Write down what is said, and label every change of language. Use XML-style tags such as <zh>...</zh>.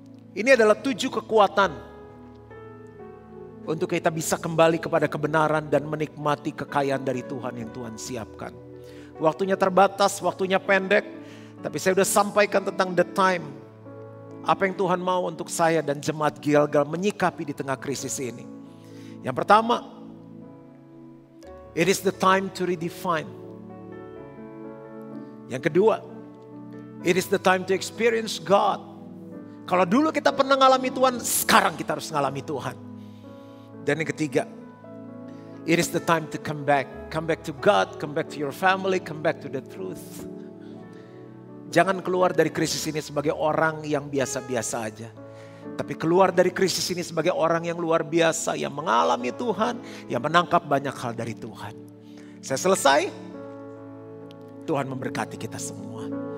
<id>Ini adalah 7 kekuatan untuk kita bisa kembali kepada kebenaran dan menikmati kekayaan dari Tuhan yang Tuhan siapkan. Waktunya terbatas, waktunya pendek, tapi saya sudah sampaikan tentang the time. Apa yang Tuhan mau untuk saya dan jemaat Gilgal menyikapi di tengah krisis ini. Yang pertama,</id> <en>it is the time to redefine.</en> <id>Yang kedua,</id> <en>it is the time to experience God.</en> <id>Kalau dulu kita pernah ngalami Tuhan, sekarang kita harus ngalami Tuhan. Dan yang ketiga,</id> <en>it is the time to come back. Come back to God, come back to your family, come back to the truth.</en> <id>Jangan keluar dari krisis ini sebagai orang yang biasa-biasa aja. Tapi keluar dari krisis ini sebagai orang yang luar biasa, yang mengalami Tuhan, yang menangkap banyak hal dari Tuhan. Saya selesai. Tuhan memberkati kita semua.</id>